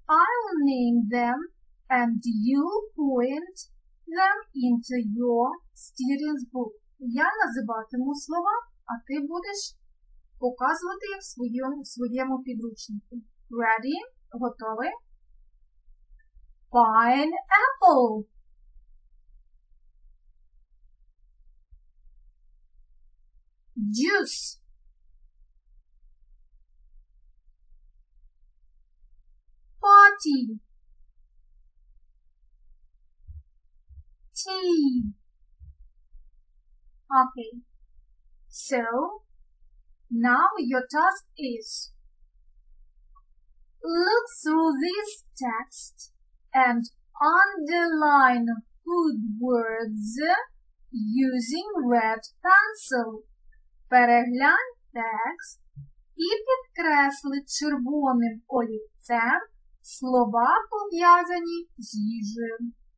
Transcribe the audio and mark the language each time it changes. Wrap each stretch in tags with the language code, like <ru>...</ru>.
<en>I'll name them and you'll point them into your student's book.</en> <uk>Я називатиму слова, а ти будеш показувати їх в своєму підручнику.</uk> <en>Ready?</en> <uk>Готові?</uk> <en>Pineapple. Juice. Party. Tea. Okay. So, now your task is look through this text and underline food words using red pencil.</en> <uk>Переглянь текст і підкреслить червоним олівцем слова, пов'язані з їжею.</uk>